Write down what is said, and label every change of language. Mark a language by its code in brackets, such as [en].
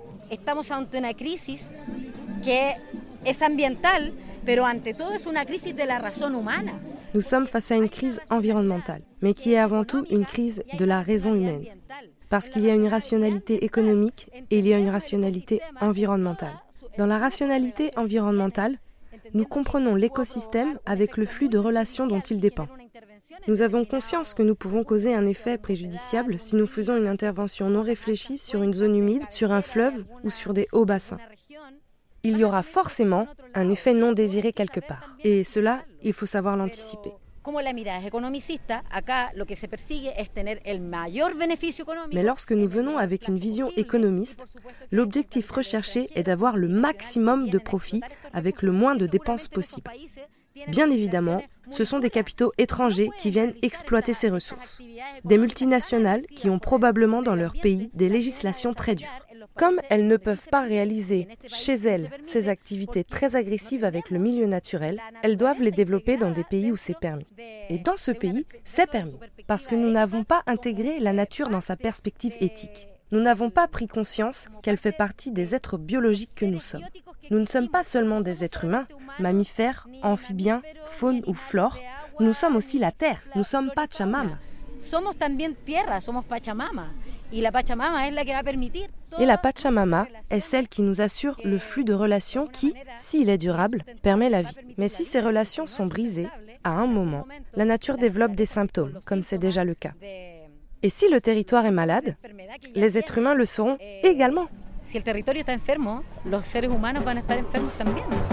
[es] Estamos ante una crisis que es ambiental, pero ante todo es una crisis de la razón humana. [fr] Nous sommes face à une crise environnementale, mais qui est avant tout une crise de la raison humaine. Parce qu'il y a une rationalité économique et il y a une rationalité environnementale. Dans la rationalité environnementale, nous comprenons l'écosystème avec le flux de relations dont il dépend. Nous avons conscience que nous pouvons causer un effet préjudiciable si nous faisons une intervention non réfléchie sur une zone humide, sur un fleuve ou sur des hauts bassins. Il y aura forcément un effet non désiré quelque part. Et cela, il faut savoir l'anticiper. [es] Como la mirada es economicista, acá lo que se persigue es tener el mayor beneficio económico. [fr] Mais lorsque nous venons avec une vision économiste, l'objectif recherché est d'avoir le maximum de profit avec le moins de dépenses possibles. Bien évidemment, ce sont des capitaux étrangers qui viennent exploiter ces ressources. Des multinationales qui ont probablement dans leur pays des législations très dures. Comme elles ne peuvent pas réaliser chez elles ces activités très agressives avec le milieu naturel, elles doivent les développer dans des pays où c'est permis. Et dans ce pays, c'est permis, parce que nous n'avons pas intégré la nature dans sa perspective éthique. Nous n'avons pas pris conscience qu'elle fait partie des êtres biologiques que nous sommes. Nous ne sommes pas seulement des êtres humains, mammifères, amphibiens, faune ou flore. Nous sommes aussi la terre, nous sommes Pachamama. [es] Somos también tierra, somos Pachamama. Y la Pachamama es la que va a permitir. [fr] Et la Pachamama est celle qui nous assure le flux de relations qui, s'il est durable, permet la vie. Mais si ces relations sont brisées, à un moment, la nature développe des symptômes, comme c'est déjà le cas. Et si le territoire est malade, les êtres humains le seront également. [es] Si el territorio está enfermo, los seres humanos van a estar enfermos también.